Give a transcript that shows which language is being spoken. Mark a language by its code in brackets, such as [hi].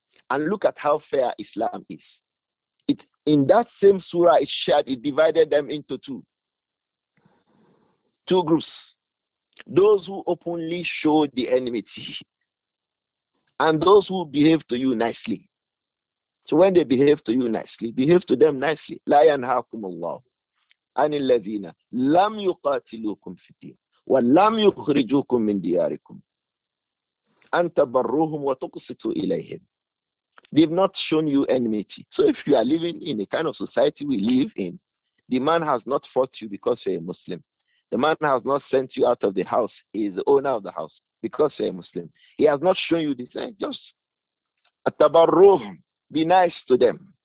[en] And look at how fair Islam is. It in that same surah, it shared, it divided them into two. Two groups. Those who openly show the enmity, and those who behave to you nicely. So when they behave to you nicely, behave to them nicely. [ar] لا ينهاكم الله عن الذين لم يقاتلوكم في الدين ولم يخرجوكم من دياركم أن تبروهم وتقسطوا إليهم. [en] They've not shown you enmity. So if you are living in a kind of society we live in, the man has not fought you because you're a Muslim. The man has not sent you out of the house. He is the owner of the house because you're a Muslim. He has not shown you this. Just atabarruhum, be nice to them.